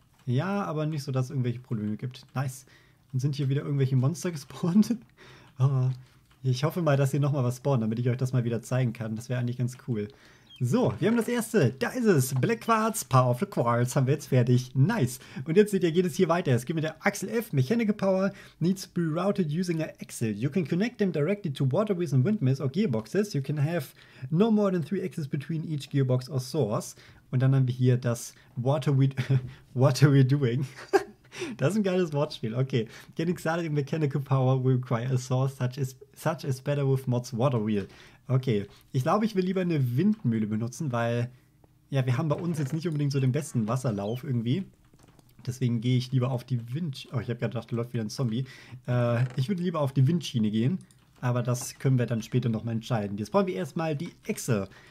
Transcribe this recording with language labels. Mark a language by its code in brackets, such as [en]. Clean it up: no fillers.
[de] Ja, aber nicht so, dass es irgendwelche Probleme gibt. Nice. Und sind hier wieder irgendwelche Monster gespawnt? Ich hoffe mal, dass hier nochmal was spawnen, damit ich euch das mal wieder zeigen kann. Das wäre eigentlich ganz cool. So, wir haben das erste. Da ist es. Black Quartz, Power of the Quartz. Haben wir jetzt fertig. Nice. Und jetzt seht ihr, geht es hier weiter. Es geht mit der Axel F. [en] Mechanical Power needs to be routed using an Axel. You can connect them directly to waterways and windmills or gearboxes. You can have no more than 3 axes between each gearbox or source. [de] Und dann haben wir hier das [en] What are we doing? [de] Das ist ein geiles Wortspiel. Okay. [en] Getting started in mechanical power will require a source such as better with mods water wheel. Okay. [de] Ich glaube, ich will lieber eine Windmühle benutzen, weil ja, wir haben bei uns jetzt nicht unbedingt so den besten Wasserlauf irgendwie. Deswegen gehe ich lieber auf die Wind. Oh, ich habe gerade gedacht, da läuft wieder ein Zombie. Ich würde lieber auf die Windschiene gehen. Aber das können wir dann später nochmal entscheiden. Jetzt brauchen wir erstmal die Excel.